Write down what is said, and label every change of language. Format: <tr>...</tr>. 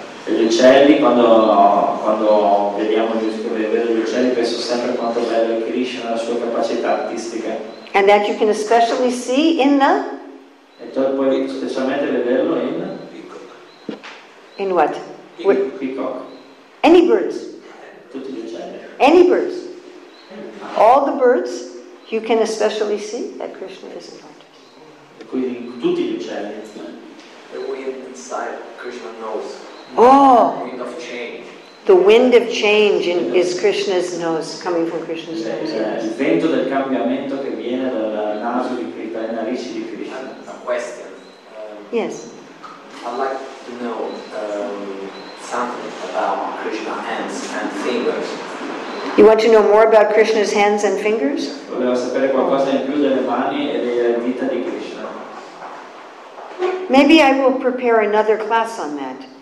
<it>Gli uccelli, quando vediamo gli uccelli, penso sempre quanto bello è Krishna, la sua capacità artistica.</it> <en>And that you can especially see in the?</en> <it>E tu puoi specialmente vederlo in?</it> <en>Peacock. In what? Peacock. Any birds.</en> <it>Tutti gli uccelli.</it> <en>Any birds. All the birds, you can especially see that Krishna is an artist.</en> <it>Quindi tutti gli uccelli.</it> <en>The wind inside Krishna knows. Oh, the wind of change is Krishna's nose, coming from Krishna's nose.</en> <it>Il vento del cambiamento che viene dal naso di Krishna, dalle narici di Krishna.</it> <en>A question. Yes. I'd like to know something about Krishna's hands and fingers. You want to know more about Krishna's hands and fingers?</en> <it>Volevo sapere qualcosa in più delle mani e delle dita di Krishna.</it> <en>Maybe I will prepare another class on that.</en>